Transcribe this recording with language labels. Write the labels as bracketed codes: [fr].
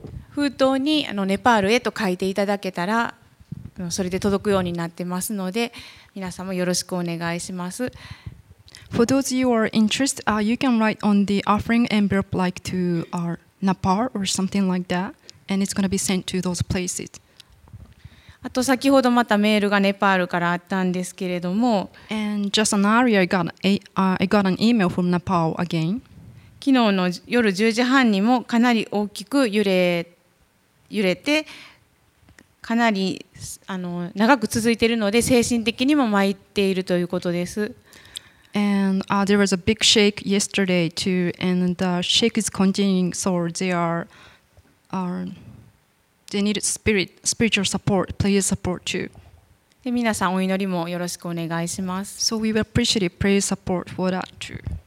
[ja] 封筒にネパールへと書いていただけたらそれで届くようになってますので皆さんもよろしくお願いします。 [en] For those you are interested, you can write on the offering envelope like to Nepal or something like that and it's going to be sent to those places. [ja] あと先ほどまたメールがネパールからあったんですけれども、 [en] And just an hour ago I got an email from Nepal again. [ja] 昨日の夜10時半にもかなり大きく揺れてかなり長く続いているので精神的にも参っているということです。 [en] And there was a big shake yesterday too and the shake is continuing so they need spiritual support, prayer support too. [ja] で皆さんお祈りもよろしくお願いします。 [en] So we will appreciate prayer support for that too.